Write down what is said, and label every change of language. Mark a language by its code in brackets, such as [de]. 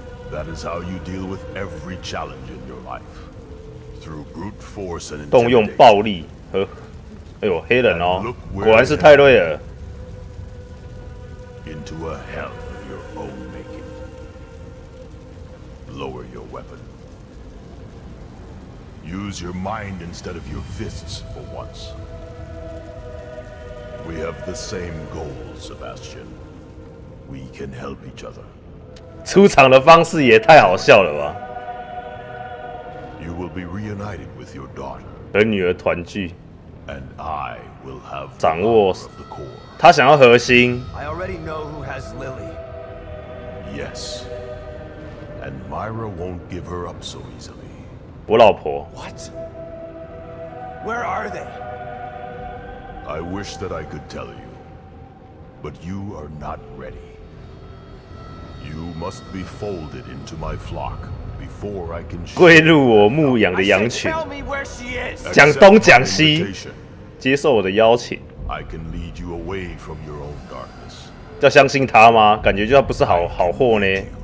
[en] That is how you deal with every challenge in your life, through brute force and [zh] 动用暴力和，哎呦，黑人哦，果然是泰瑞尔。 [en] Into a hell of your own making. Lower your weapon. Use your mind instead of your fists for once. We have the same goal, Sebastian. We can help each other. [zh] 出场的方式也太好笑了吧！ [en] You will be reunited with your daughter. [zh] 和女儿团聚。 [en] And I will have [zh] 掌握 [en] power of the core. [zh] 他想要核心。 [en] I already know who has Lily. Yes. And Myra won't give her up so easily. [zh] 我老婆。 [en] What? Where are they? I wish that I could tell you, but you are not ready. You must be folded into my flock before I can. [zh] 归入我牧养的羊群。 [en] Tell me where she is. [zh] 讲东讲西，接受我的邀请。 [en] I can lead you away from your own darkness. [zh] 要相信他吗？感觉就他不是好货呢。